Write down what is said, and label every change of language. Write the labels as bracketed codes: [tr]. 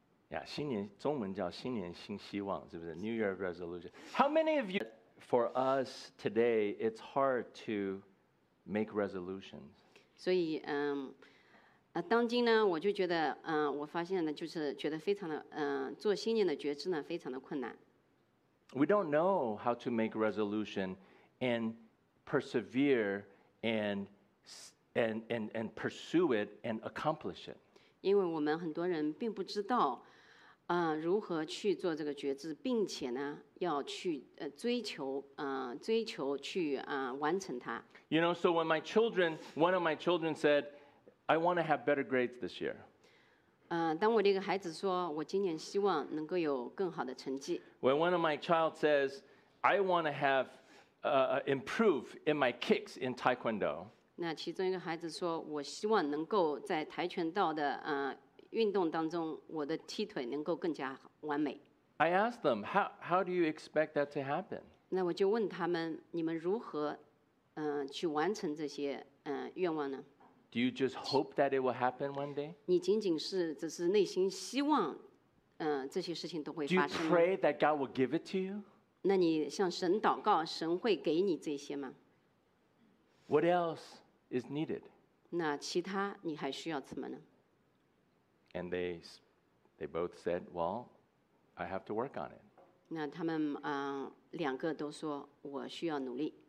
[zh] 呀，新年中文叫新年新希望，是不是 ？New Year Resolution. [en] How many of you? For us today, it's hard to make resolutions. [zh] 所以当今呢，我就觉得我发现呢，就是觉得非常的做新年的决志呢，非常的困难。 [en] We don't know how to make resolution and persevere and pursue it and accomplish it. [zh] 因为我们很多人并不知道，如何去做这个决志，并且呢，要去追求去完成它。 [en] You know, so when one of my children said, "I want to have better grades this year." [zh] 当我的一个孩子说，我今年希望能够有更好的成绩。 [en] When one of my child says, I want to have improve in my kicks in taekwondo. [zh] 那其中一个孩子说，我希望能够在跆拳道的运动当中，我的踢腿能够更加完美。 [en] I asked them, how do you expect that to happen? [zh] 那我就问他们，你们如何去完成这些愿望呢？ [en] Do you just hope that it will happen one day? [zh] 你仅仅是只是内心希望，这些事情都会发生。 [en] Do you pray that God will give it to you? [zh] 那你向神祷告，神会给你这些吗？ [en] What else is needed? [zh] 那其他你还需要什么呢？ [en] And they both said, well, I have to work on it. [zh] 那他们两个都说我需要努力。